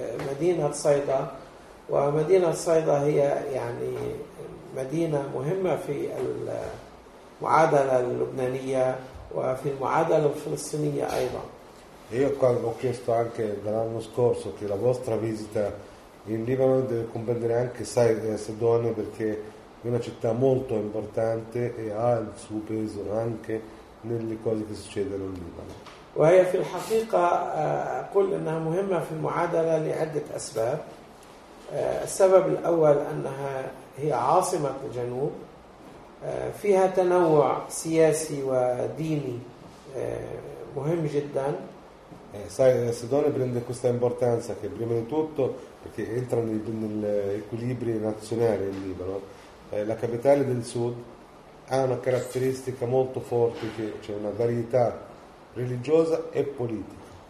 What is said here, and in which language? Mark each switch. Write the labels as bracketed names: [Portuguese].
[Arabic] مدينة صيدا، ومدينة صيدا هي يعني مدينة مهمة في المعادلة اللبنانية وفي المعادلة الفلسطينية أيضا. [Italian] Io ho chiesto anche dall'anno scorso che la vostra visita in Libano deve comprendere anche Sidone, perché è una città molto importante e ha il suo peso anche nelle cose che succedono in Libano. [Arabic] وهي في الحقيقة أقول أنها مهمة في المعادلة لعدة أسباب. السبب الأول أنها هي عاصمة الجنوب، فيها تنوع سياسي وديني مهم جدا. [Italian] Sai, Sidone prende questa importanza che prima di tutto perché entra nell'equilibrio nazionale in Libano, la capitale del sud ha una caratteristica molto forte, che c'è una varietà religiosa e politica.